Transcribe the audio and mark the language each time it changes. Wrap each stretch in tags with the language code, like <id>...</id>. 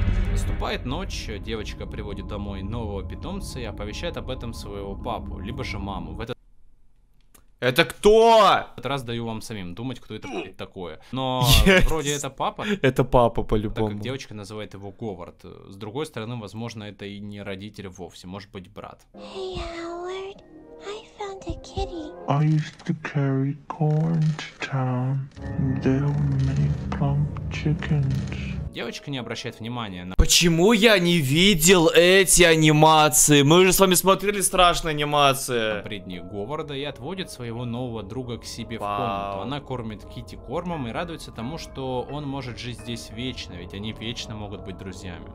<ru>Наступает ночь, девочка приводит домой нового питомца и оповещает об этом своего папу, либо же маму. В этот... Это кто? В этот раз даю вам самим думать, кто это такое. Но вроде это папа. Это папа по-любому. Так, девочка называет его Говард. С другой стороны, возможно, это и не родитель вовсе, может быть, брат.</ru> <en>Hey, Howard, I found a kitty. I used to carry corn to town. They'll make plump chickens.</en> <ru>Девочка не обращает внимания на... Почему я не видел эти анимации? Мы же с вами смотрели страшные анимации. ...предни Говарда и отводит своего нового друга к себе в комнату. Она кормит Китти кормом и радуется тому, что он может жить здесь вечно, ведь они вечно могут быть друзьями.</ru>